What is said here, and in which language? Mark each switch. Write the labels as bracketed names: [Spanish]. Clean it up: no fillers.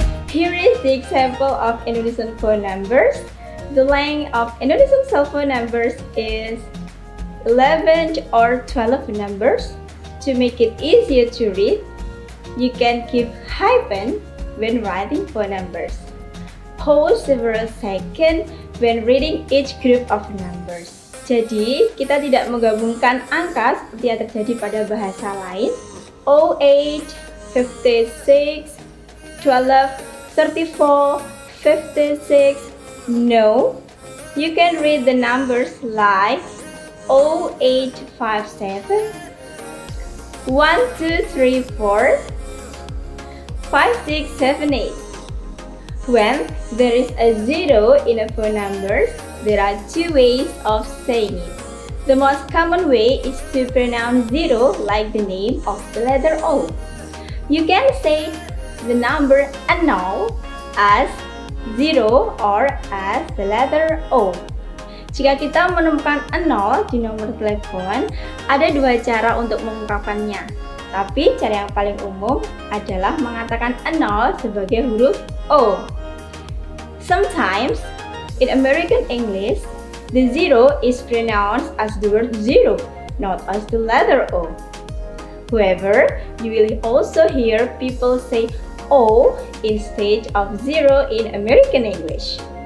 [English] Here is the example of Indonesian phone numbers. The length of Indonesian cell phone numbers is 11 or 12 numbers. To make it easier to read, you can give hyphen when writing phone numbers. Pause several seconds when reading each group of numbers. [Indonesian] Jadi, kita tidak menggabungkan angka seperti yang terjadi pada bahasa lain. 08, 56, 12, 34, 56. [English] No, you can read the numbers like 0857, 1, 2, 3, 4, 5, 6, 7, 8. When there is a zero in a phone number, there are two ways of saying it. The most common way is to pronounce zero like the name of the letter O. You can say the number unknown as zero or as the letter O. [Indonesian] Jika kita menemukan nol di nomor telepon, ada dua cara untuk mengungkapkannya. Tapi cara yang paling umum adalah mengatakan nol sebagai huruf O. [English] Sometimes, in American English, the zero is pronounced as the word zero, not as the letter O. However, you will also hear people say O instead of zero in American English.